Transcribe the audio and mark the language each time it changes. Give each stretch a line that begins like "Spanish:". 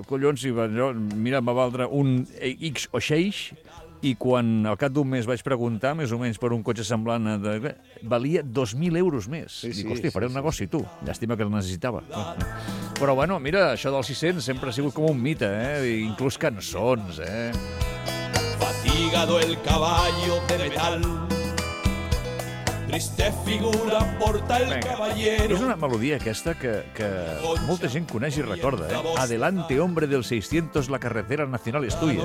Catalan: Collons, si va, jo, mira, em va valdre un X o 6, i quan al cap d'un mes vaig preguntar, més o menys, per un cotxe semblant... valia 2.000 euros més. Sí, dic, sí, hòstia, sí, faré sí, un negoci, tu. Llàstima que el necessitava. Però, bueno, mira, això dels 600 sempre ha sigut com un mite, eh? Inclús cançons, eh?
Spanish: Fatigado el caballo de metal. Triste figura porta el caballero.
Catalan: És una melodia aquesta que molta gent coneix i recorda, eh?
Spanish: Adelante, hombre del 600, la carretera nacional es tuya.